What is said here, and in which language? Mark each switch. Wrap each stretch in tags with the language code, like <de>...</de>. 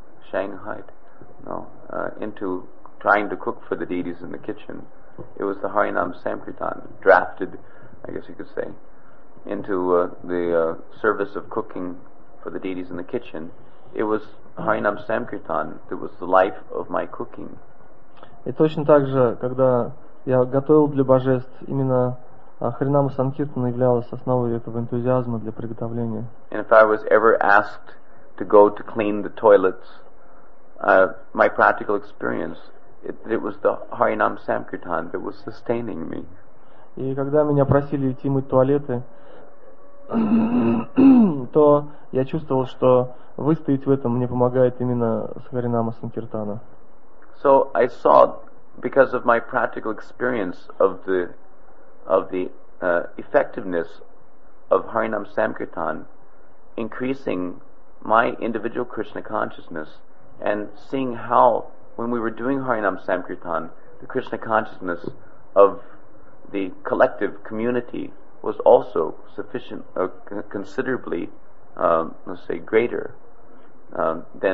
<en>Shanghai'd, no? Into trying to cook for the deities in the kitchen, it was the Harinam Samkirtan drafted, I guess you could say, into the service of cooking for the deities in the kitchen. It was Harinam Samkirtan that was the life of my cooking.</en> <ru>И точно так же, когда я готовил для божеств, именно Харинама Санкиртана являлась основой этого энтузиазма для приготовления.</ru> <en>And if I was ever asked to go to clean the toilets, my practical experience, it was the Harinam Samkirtan that was sustaining me.</en> <ru>И когда меня просили идти мыть туалеты, то я чувствовал, что выстоять в этом мне помогает именно Харинама Санкиртана.</ru> <en>So I saw, because of my practical experience of the effectiveness of Harinam Samkirtan increasing my individual Krishna consciousness, and seeing how when we were doing Harinam Samkirtan, the Krishna consciousness of the collective community was also sufficient, considerably, let's say, greater than</en>